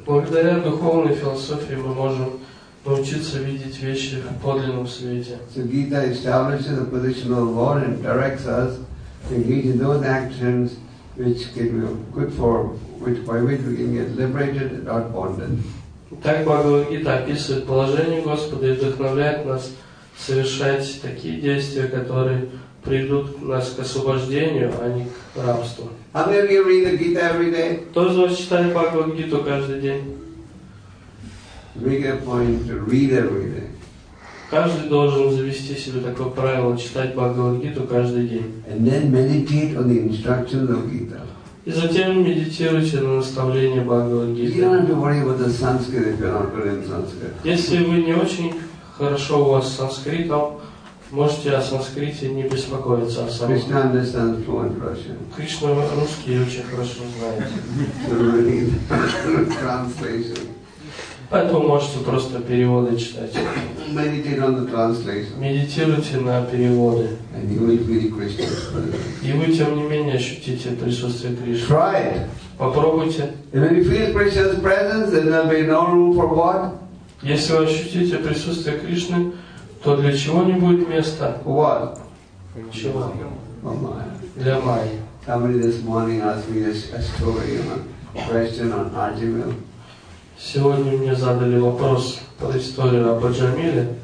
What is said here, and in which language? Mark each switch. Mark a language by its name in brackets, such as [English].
[Russian] Благодаря духовной философии мы можем научиться видеть вещи в подлинном свете. [English] So Gita establishes the position of the Lord and directs us to engage in those actions which can be good for, which by which we can get liberated and not bonded. [Russian] Так Бхагавад-гита описывает положение Господа и вдохновляет нас совершать такие действия, которые приведут нас к освобождению, а не к рабству. [English] How many of you read the Gita every day? [Russian] Кто из вас читает Бхагавад-гиту каждый день? [English] Make a point to read every day. [Russian] Каждый должен завести себе такое правило читать Бхагавад-гиту каждый день. [English] And then meditate on the instructions of Gita. [Russian] И затем медитируйте на наставления Бхагавад-гиты. [English] You don't have to worry about the Sanskrit if you're not good in Sanskrit. [Russian] Если вы не очень хорошо у вас с санскритом, можете о санскрите не беспокоиться о самом. [English] Krishna understands fluent Russian. [Russian] Кришна русский очень хорошо знает. [English] Translation. [Russian] Поэтому можете просто переводы читать. [English] Meditate on the translation. [Russian] Медитируйте на переводы. [English] And you will feel Krishna. [Russian] И вы тем не менее ощутите присутствие Кришны. [English] Try it. [Russian] Попробуйте. [English] And if you feel Krishna's presence, then there'll be no room for what? [Russian] Если вы ощутите присутствие Кришны, то для чего не будет места? [English] What? [Russian] Чего? [English] For Maya. [Russian] Для Майи. [English] Somebody this morning asked me a story, a question on Ajimil. [Russian] Сегодня мне задали вопрос под историю об Аджамиле.